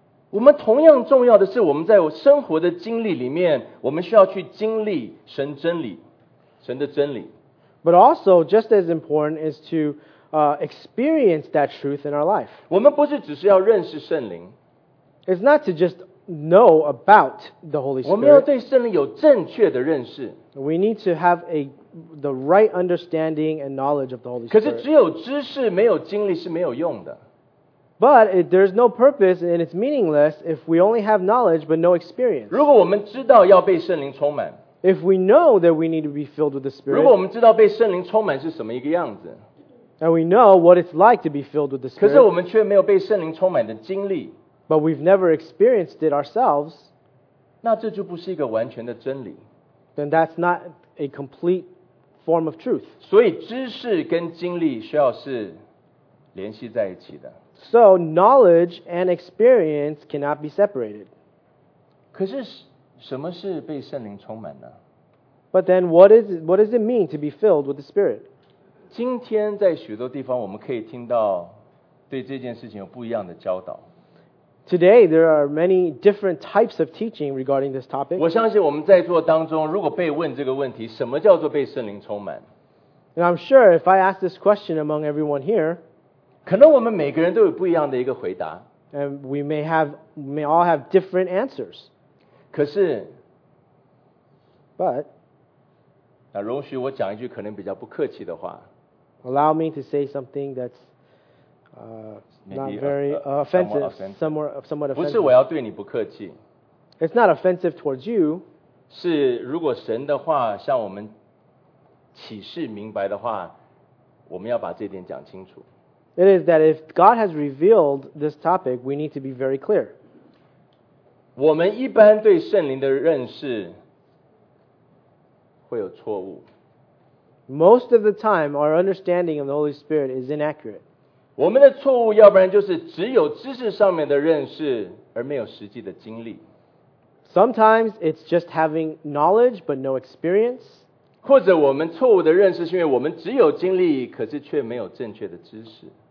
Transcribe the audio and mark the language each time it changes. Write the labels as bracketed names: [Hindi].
[Chinese] 我们同样重要的是，我们在生活的经历里面，我们需要去经历神真理，神的真理。 [English] But also, just as important is to experience that truth in our life. [Chinese] 我们不是只是要认识圣灵。 [English] It's not to just know about the Holy Spirit. [Chinese] 我们要对圣灵有正确的认识。 [English] We need to have the right understanding and knowledge of the Holy Spirit. [Chinese] 可是只有知识没有经历是没有用的。 [English] But there's no purpose and it's meaningless if we only have knowledge but no experience. [Chinese] 如果我们知道要被圣灵充满。 [English] If we know that we need to be filled with the Spirit. [Chinese] 如果我们知道被圣灵充满是什么一个样子。 [English] And we know what it's like to be filled with the Spirit. [Chinese] 可是我们却没有被圣灵充满的经历。 [English] But we've never experienced it ourselves. [Chinese] 那这就不是一个完全的真理。 [English] Then that's not a complete form of truth. [Chinese] 所以知识跟经历需要是联系在一起的。 [English] So knowledge and experience cannot be separated. [Chinese] 可是什么是被圣灵充满呢？ [English] But then what does it mean to be filled with the Spirit? [Chinese] 今天在许多地方我们可以听到对这件事情有不一样的教导。 [English] Today, there are many different types of teaching regarding this topic. [Chinese] 我相信我们在座当中，如果被问这个问题，什么叫做被圣灵充满？ [English] And I'm sure if I ask this question among everyone here, [Chinese] 可能我们每个人都有不一样的一个回答。 [English] And we may all have different answers. [Chinese] 可是 [English] But, [Chinese] 那容许我讲一句可能比较不客气的话。 [English] Allow me to say something that's not very offensive. [Chinese] 不是我要对你不客气。 [English] It's not offensive towards you. [Chinese] 是如果神的话向我们启示明白的话，我们要把这点讲清楚。 [English] It is that if God has revealed this topic, we need to be very clear. [Chinese] 我们一般对圣灵的认识会有错误。 [English] Most of the time, our understanding of the Holy Spirit is inaccurate. [Chinese] 我们的错误要不然就是只有知识上面的认识而没有实际的经历。 [English] Sometimes it's just having knowledge but no experience. [Chinese] 或者我们错误的认识是因为我们只有经历可是却没有正确的知识。